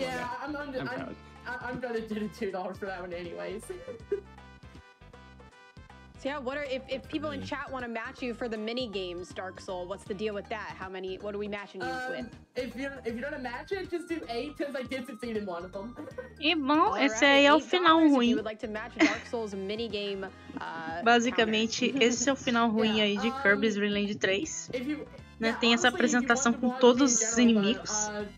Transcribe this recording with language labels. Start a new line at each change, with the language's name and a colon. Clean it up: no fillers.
English: Yeah, I'm gonna do the $2 for that one anyways. Yeah, what are if people in chat want to match you for the mini games, Dark Soul? What's the deal with that? How many? What are we matching you with? If you don't match it, just do 8, because I did succeed in one of them.
Portuguese: E bom, esse aí é o final ruim.
English: You would like to match Dark Souls mini game?
Portuguese: Basicamente, esse é o final ruim aí de Kirby's Dream Land 3. Né, tem essa apresentação com todos os inimigos.